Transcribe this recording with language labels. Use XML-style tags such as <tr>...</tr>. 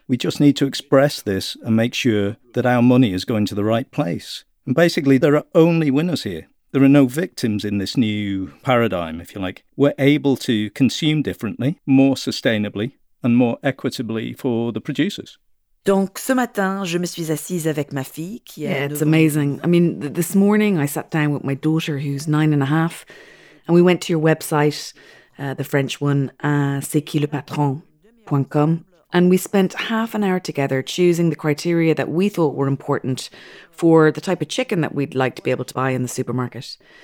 <en>We just need to express this and make sure that our money is going to the right place. And basically, there are only winners here. There are no victims in this new paradigm, if you like. We're able to consume differently, more sustainably, and more equitably for the producers.</en> <fr>Donc, ce matin, je me suis assise avec ma fille qui a.</fr> <en>Yeah, it's amazing. I mean, this morning I sat down with my daughter who's 9.5, and we went to your website, the French one, c'estquilepatron.com, and we spent half an hour together choosing the criteria that we thought were important for the type of chicken that we'd like to be able to buy in the supermarket.</en>